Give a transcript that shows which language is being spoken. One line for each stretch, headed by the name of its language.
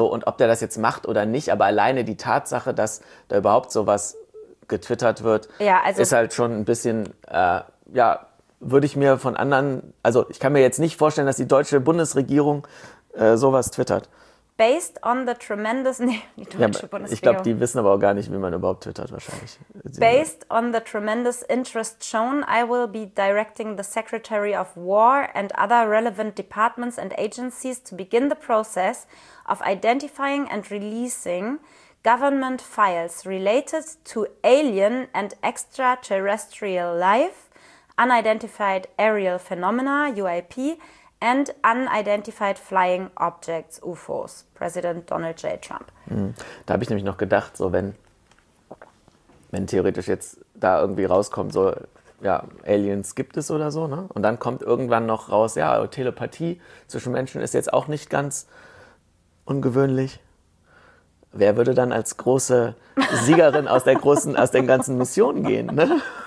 German: So, und ob der das jetzt macht oder nicht, aber alleine die Tatsache, dass da überhaupt sowas getwittert wird, ist halt schon ein bisschen, würde ich mir von anderen, also ich kann mir jetzt nicht vorstellen, dass die deutsche Bundesregierung sowas twittert.
English: Based on the tremendous...
German: Nee, die deutsche Bundesregierung. Ich glaube, die wissen aber auch gar nicht, wie man überhaupt twittert wahrscheinlich.
English: Based on the tremendous interest shown, I will be directing the Secretary of War and other relevant departments and agencies to begin the process of identifying and releasing government files related to alien and extraterrestrial life, unidentified aerial phenomena, UAP, and unidentified flying objects, UFOs, President Donald J. Trump.
German: Da habe ich nämlich noch gedacht, so wenn theoretisch jetzt da irgendwie rauskommt, so, ja, Aliens gibt es oder so, ne? Und dann kommt irgendwann noch raus, ja, Telepathie zwischen Menschen ist jetzt auch nicht ganz ungewöhnlich. Wer würde dann als große Siegerin aus den ganzen Missionen gehen, ne?